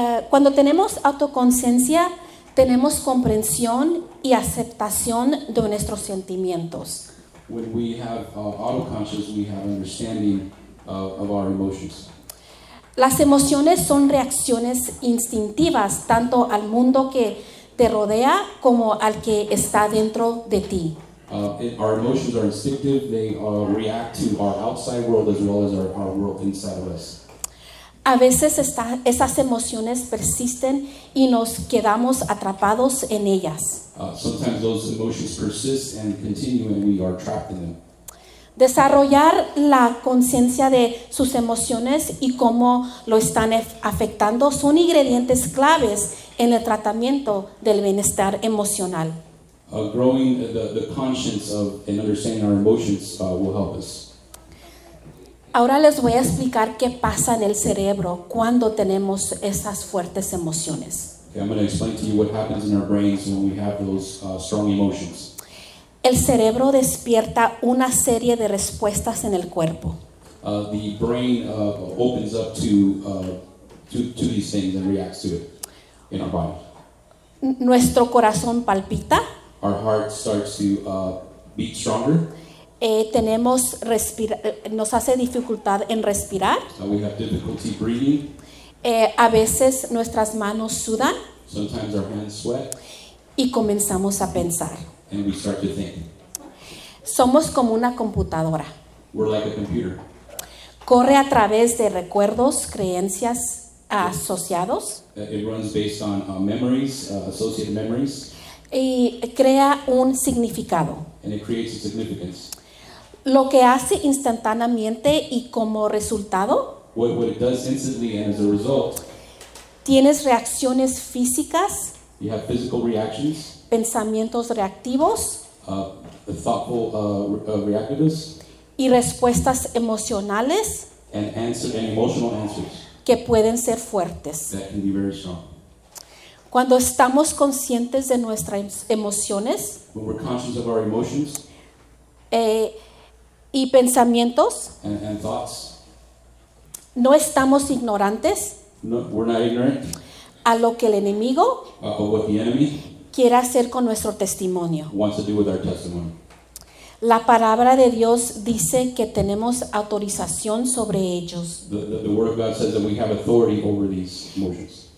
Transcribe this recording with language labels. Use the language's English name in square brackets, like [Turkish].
[Spanish] Cuando tenemos autoconciencia, tenemos comprensión y aceptación de nuestros sentimientos. [English] When we have autoconscience, we have understanding of our emotions. [Spanish] Las emociones son reacciones instintivas tanto al mundo que te rodea como al que está dentro de ti. [English] Our emotions are instinctive. They react to our outside world as well as our world inside of us. [Spanish] A veces esas emociones persisten y nos quedamos atrapados en ellas. [English] Sometimes those emotions persist and continue and we are trapped in them. [Spanish] Desarrollar la conciencia de sus emociones y cómo lo están afectando son ingredientes claves en el tratamiento del bienestar emocional. [English] Growing the conscience of and understanding our emotions will help us. [Spanish] Ahora les voy a explicar qué pasa en el cerebro cuando tenemos esas fuertes emociones. [English] Okay, I'm going to explain to you what happens in our brains when we have those strong emotions. [Spanish] El cerebro despierta una serie de respuestas en el cuerpo. [English] The brain opens up to these things and reacts to it in our body. [Spanish] Nuestro corazón palpita. [English] Our heart starts to beat stronger. [Spanish] Tenemos nos hace dificultad en respirar. [English] We have difficulty breathing. [Spanish] A veces nuestras manos sudan. [English] Sometimes our hands sweat. [Spanish] Y comenzamos a pensar. [English] And we start to think. [Spanish] Somos como una computadora. [English] We're like a computer. [Spanish] Corre a través de recuerdos, creencias asociados. [English] It runs based on memories, associated memories. [Spanish] Y crea un significado. [English] And it creates a significance. [Spanish] Lo que hace instantáneamente y como resultado. [English] What it does instantly and as a result. [Spanish] Tienes reacciones físicas. [English] You have physical reactions. [Spanish] Pensamientos reactivos. [English] Thoughtful reactiveness. [Spanish] Y respuestas emocionales. [English] And emotional answers. [Spanish] Que pueden ser fuertes. [English] That can be very strong. [Spanish] Cuando estamos conscientes de nuestras emociones. [English] When we're conscious of our emotions. [Spanish] Y pensamientos. [English] And thoughts. [Spanish] No estamos ignorantes. [English] No, we're not ignorant. [Spanish] A lo que el enemigo. [English] Or what the enemy. [Spanish] Quiere hacer con nuestro testimonio. [English] Wants to do with our testimony. [Spanish] La palabra de Dios dice que tenemos autorización sobre ellos. [English] The word of God says that we have authority over these emotions.